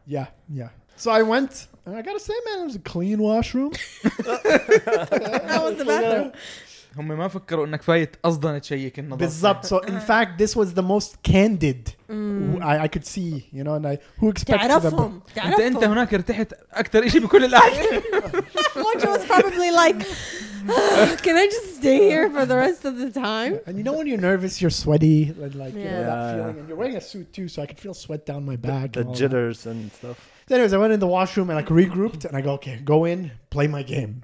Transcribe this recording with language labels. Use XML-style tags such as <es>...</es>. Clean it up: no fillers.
<en>Yeah. So I went, and I gotta say, man, it was a clean washroom. That was the bathroom. Bizzup. So in fact, this was the most candid I could see, you know, and I who expected them.</en> <ar>أنت هناك ارتحت أكثر إشي بكل الأحداث.</ar> <en>Mojo was probably like, can I just stay here for the rest of the time? And you know when you're nervous, you're sweaty, and like feeling, and you're wearing a suit too, so I could feel sweat down my back. The jitters and stuff. Anyways, I went in the washroom and like regrouped, and I go, okay, go in, play my game.</en>